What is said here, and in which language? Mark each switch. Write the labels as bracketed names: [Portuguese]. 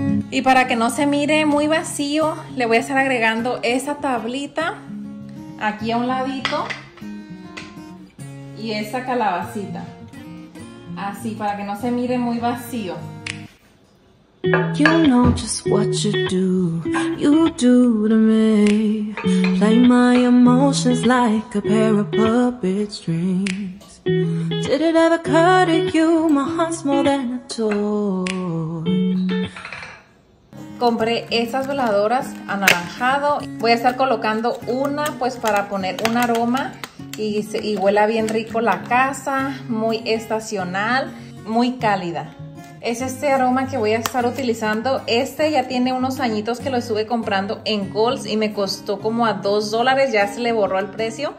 [Spanish] Y para que no se mire muy vacío, le voy a estar agregando esa tablita aquí a un ladito y esa calabacita, así para que no se mire muy vacío. [English] You know just what you do to me. Play my emotions like a pair of puppet strings. Did it ever occur to you, my heart's more than a toy. [Spanish] Compré esas veladoras anaranjado. Voy a estar colocando una pues para poner un aroma y huela bien rico la casa, muy estacional, muy cálida. Es este aroma que voy a estar utilizando. Este ya tiene unos añitos que lo estuve comprando en Kohl's y me costó como a $2, ya se le borró el precio.